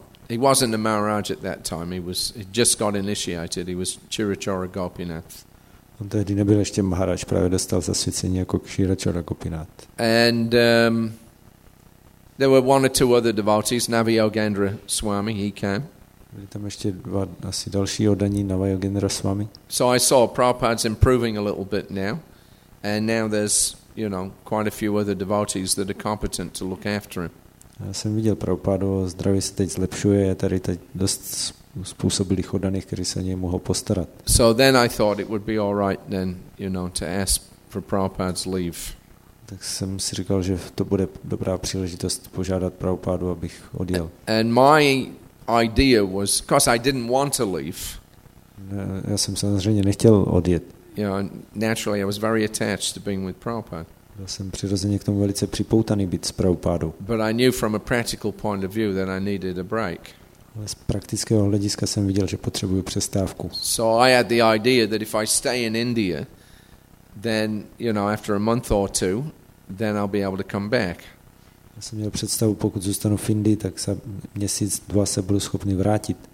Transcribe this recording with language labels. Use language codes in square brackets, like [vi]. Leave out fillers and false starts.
[en] He wasn't a Maharaj at that time. He just got initiated. He was Chirachara Gopinath. [cs] On tehdy nebyl ještě Maharaj, právě dostal zasvěcení jako Chirachara Gopinath. [en] And there were one or two other devotees. Navi Yogendra Swami, he came. [cs] Byli tam ještě dva asi další oddaní Navi Yogendra Swami. [en] So I saw Prabhupada's improving a little bit now. And now there's, you know, quite a few other devotees that are competent to look after him. [cs] Já jsem viděl Prabhupádu, zdraví se teď zlepšuje, je tady teď dost způsobilých oddaných, kteří se o něj mohou postarat. [en] So then I thought it would be all right then, you know, to ask for Prabhupada's leave. [cs] Tak jsem si říkal, že to bude dobrá příležitost požádat Prabhupádu, abych odjel. [en] And my idea was, because I didn't want to leave. [cs] Já jsem samozřejmě nechtěl odjet. [en] You know, naturally I was very attached to being with Prabhupada. [cs] Já jsem přirozeně k tomu velice připoutaný být s Prabhupádou. [en] But I knew from a practical point of view that I needed a break. [cs] Ale z praktického hlediska jsem viděl, že potřebuju přestávku. [en] So I had the idea that if I stay in India, then, you know, after a month or two, then I'll be able to come back. [cs] Já jsem měl představu, pokud zůstanu v Indii, tak se měsíc, dva se budu schopný vrátit.